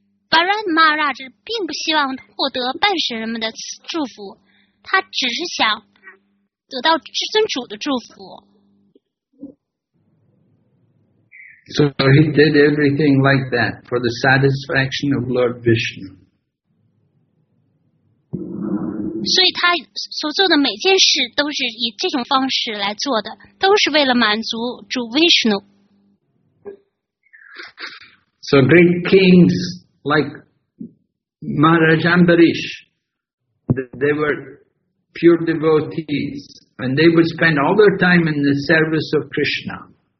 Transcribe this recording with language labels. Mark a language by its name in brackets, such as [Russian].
[Chinese] Bharat Maharaj 并不希望获得半神人们的祝福，他只是想得到至尊主的祝福。 [English] So he did everything like that for the satisfaction of Lord Vishnu. [Chinese] 所以他所做的每件事都是以这种方式来做的，都是为了满足主 Vishnu. [English] So great kings like Maharaj Ambarish, they were pure devotees, and they would spend all their time in the service of Krishna.